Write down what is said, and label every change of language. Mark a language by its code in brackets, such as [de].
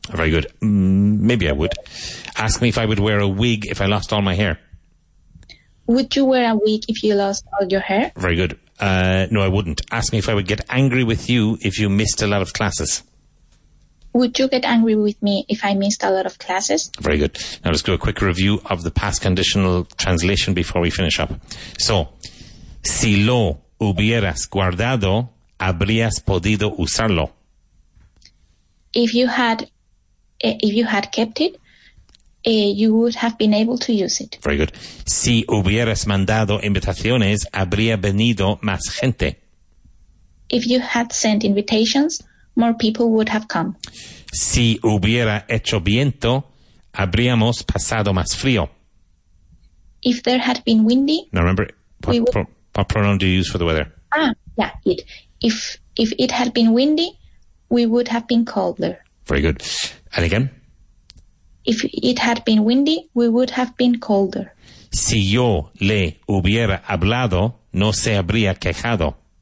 [en] Very good. Maybe I would. Ask me if I would wear a wig if I lost all my hair. Would you wear a wig if you lost all your hair? Very good. No, I wouldn't. Ask me if I would get angry with you if you missed a lot of classes. Would you get angry with me if I missed a lot of classes? Very good. Now let's do a quick review of the past conditional translation before we finish up. [es] So, si lo hubieras guardado, habrías podido usarlo. [en] If you had kept it, you would have been able to use it. Very good. [es] Si hubieras mandado invitaciones, habría venido más gente. [en] If you had sent invitations, more people would have come. [es] Si hubiera hecho viento, habríamos pasado más frío. [en] If there had been windy... Now remember, what pronoun do you use for the weather? It. If it had been windy, we would have been colder. Very good. And again? If it had been windy, we would have been colder. [es] Si yo le hubiera hablado, no se habría quejado.